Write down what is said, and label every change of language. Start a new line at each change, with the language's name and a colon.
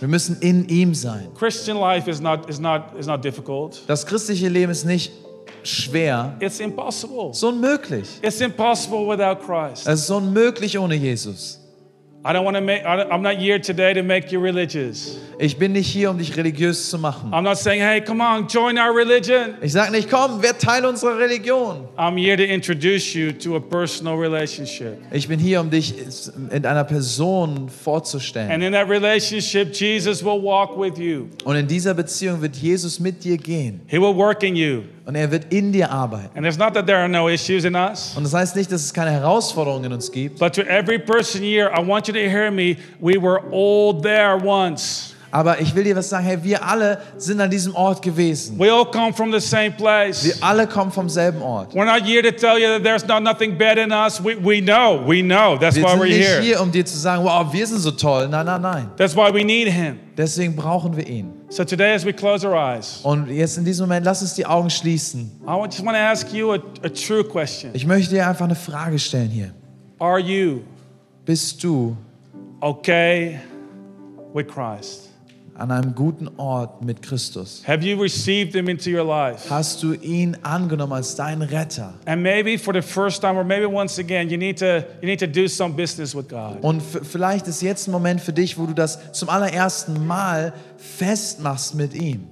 German: Wir müssen in ihm sein.
English: Christian life is not difficult.
German: Das christliche Leben ist nicht schwer.
English: It's impossible.
German: So unmöglich.
English: It's impossible without Christ.
German: Es ist unmöglich ohne Jesus.
English: I don't want to make. I'm not here today to make you religious.
German: Ich bin nicht hier, um dich religiös zu machen.
English: I'm not saying, hey, come on, join our religion.
German: Ich sag nicht, komm, werd Teil unserer Religion.
English: I'm here to introduce you to a personal relationship.
German: Ich bin hier, um dich in einer Person vorzustellen.
English: And in that relationship, Jesus will walk with you.
German: Und in dieser Beziehung wird Jesus mit dir gehen.
English: He will work in you.
German: Und er wird in dir arbeiten.
English: And it's not that there are no issues in us.
German: Und das heißt nicht, dass es keine Herausforderungen in uns gibt.
English: But to every person here, I want you to hear me. We were all there once.
German: Aber ich will dir was sagen, hey, wir alle sind an diesem Ort gewesen.
English: We all come from the same place.
German: Wir alle kommen vom selben Ort.
English: We're not here to tell you that there's not nothing bad in us. We know. That's why we're here.
German: Wir sind hier, um dir zu sagen, wow, wir sind so toll. Nein.
English: That's why we need him.
German: Deswegen brauchen wir ihn.
English: So today as we close our eyes.
German: Und jetzt in diesem Moment, lass uns die Augen schließen.
English: I just want to ask you a true question.
German: Ich möchte dir einfach eine Frage stellen hier.
English: Are you?
German: Bist du?
English: Okay. With Christ.
German: An einem guten Ort mit Christus.
English: Have you received him into your life?
German: Hast du ihn angenommen als deinen Retter?
English: And maybe for the first time or maybe once again, you need to do some business with God.
German: Und vielleicht ist jetzt ein Moment für dich, wo du das zum allerersten Mal festmachst mit ihm.